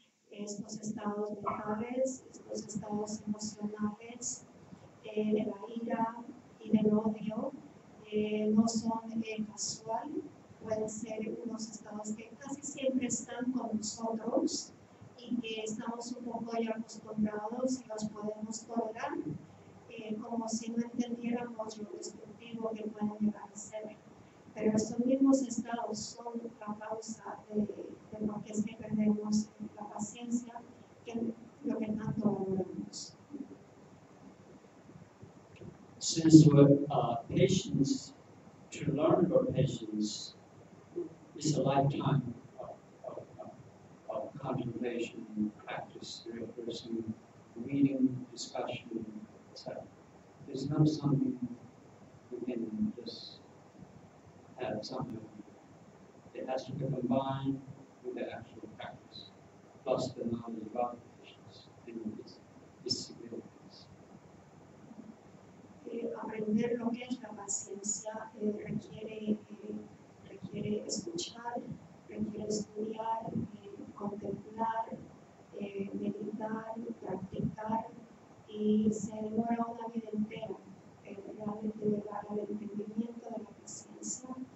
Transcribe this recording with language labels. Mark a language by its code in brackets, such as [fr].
[es] Estos estados mentales, estos estados emocionales, de la ira y del odio, no son casual, pueden ser unos estados que casi siempre están con nosotros y que estamos un poco ya acostumbrados y los podemos tolerar como si no entendiéramos lo destructivo que pueden llegar a ser. Pero estos mismos estados son la causa de por qué es que perdemos la paciencia, que lo que tanto valoramos. [en] Since we're patience, to learn about patience is a lifetime of contemplation, practice, rehearsing, reading, discussion, etc. There's not something we can just have something. It has to be combined with the actual practice, plus the knowledge about patience and its significance. [es] Aprender lo que es la paciencia requiere escuchar, requiere estudiar, contemplar, meditar, practicar, y se demora una vida entera realmente llegar al entendimiento de la paciencia.